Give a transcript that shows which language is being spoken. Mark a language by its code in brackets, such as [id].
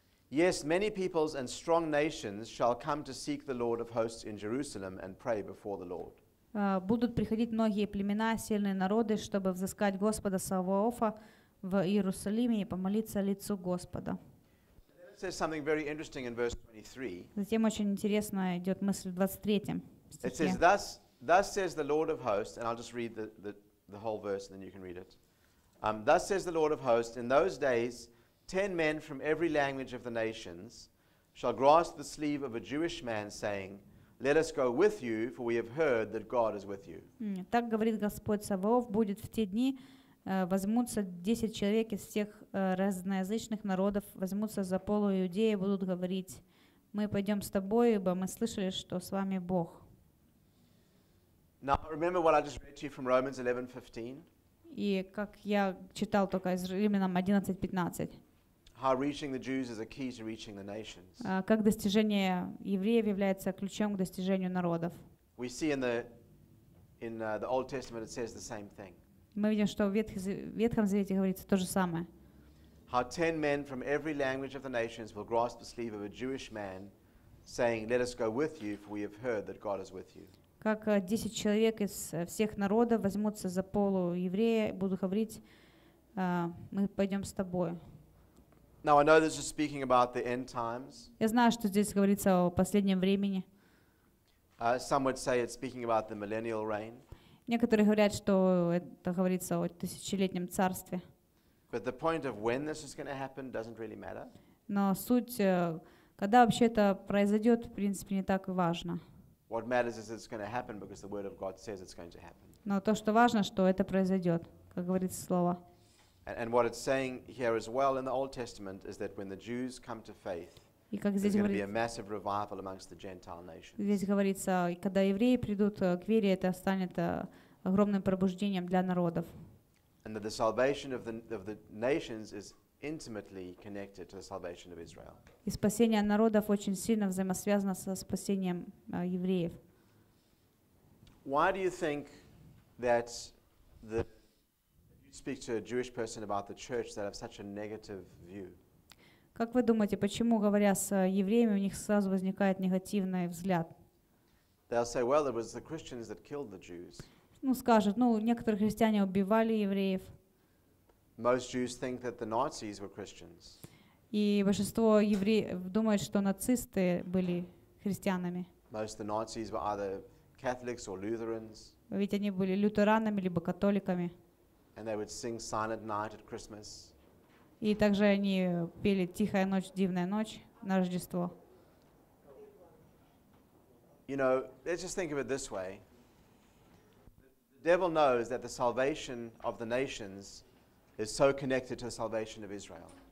[en] Yes, many peoples and strong nations shall come to seek the Lord of hosts in Jerusalem and pray before the Lord. [ru] Будут приходить многие племена, сильные народы, чтобы взыскать Господа Саваофа в Иерусалиме и помолиться лицу Господа. [en] Says something very interesting in verse 23. [ru] Затем очень интересно идет мысль в 23 стихе. [en] It says, "Thus says the Lord of hosts," and I'll just read the whole verse, and then you can read it. "Thus says the Lord of hosts: In those days, 10 men from every language of the nations shall grasp the sleeve of a Jewish man, saying, 'Let us go with you, for we have heard that God is with you.'" [ru] Так говорит Господь Саваоф, будет в те дни. Возьмутся 10 человек из всех разноязычных народов, возьмутся за полу иудеи и будут говорить: "Мы пойдем с тобой, ибо мы слышали, что с вами Бог." [en] Now, remember what I just read to you from Romans 11:15. [ru] И как я читал только из Римлянам 11:15. [en] How reaching the Jews is a key to reaching the nations. [ru] Как достижение евреев является ключом к достижению народов. [en] We see in the Old Testament it says the same thing. [ru] Мы видим, что в Ветхом Завете говорится то же самое. [en] How 10 men from every language of the nations will grasp the sleeve of a Jewish man, saying, "Let us go with you, for we have heard that God is with you." [ru] Как 10 человек из всех народов возьмутся за полу еврея и будут говорить: "Мы пойдем с тобой." [en] Now I know this is speaking about the end times. [ru] Я знаю, что здесь говорится о последнем времени. [en] Some would say it's speaking about the millennial reign. [ru] Некоторые говорят, что это говорится о тысячелетнем царстве. [en] But the point of when this is going to happen doesn't really matter. [ru] Но суть, когда вообще это произойдет, в принципе, не так важно. [en] What matters is it's going to happen because the word of God says it's going to happen. [ru] Но то, что важно, что это произойдет, как говорится слово. [en] And what it's saying here as well in the Old Testament is that when the Jews come to faith, [ru] и как здесь [en] there's going to be a massive revival amongst the Gentile nations. [ru] Здесь говорится, когда евреи придут к вере, это станет огромным пробуждением для народов. [en] And that the salvation of the nations is intimately connected to the salvation of Israel. [ru] И спасение народов очень сильно взаимосвязано со спасением евреев. [en] Why do you think that if you speak to a Jewish person about the church, they have such a negative view? [ru] Как вы думаете, почему, говоря с евреями, у них сразу возникает негативный взгляд? [en] Say, well, it was the Christians that killed the Jews. [ru] Ну, скажут, ну, некоторые христиане убивали евреев. [en] Most Jews think that the Nazis were Christians. [ru] И большинство евреев думают, что нацисты были христианами. [en] Most of the Nazis were either Catholics or Lutherans. [ru] Ведь они были лютеранами либо католиками. [en] And they would sing Silent Night at Christmas. [ru] И также они пели «Тихая ночь, дивная ночь» на Рождество. [en] You know, let's just think of it this way. The devil knows that the salvation of the nations is so connected to the salvation of Israel.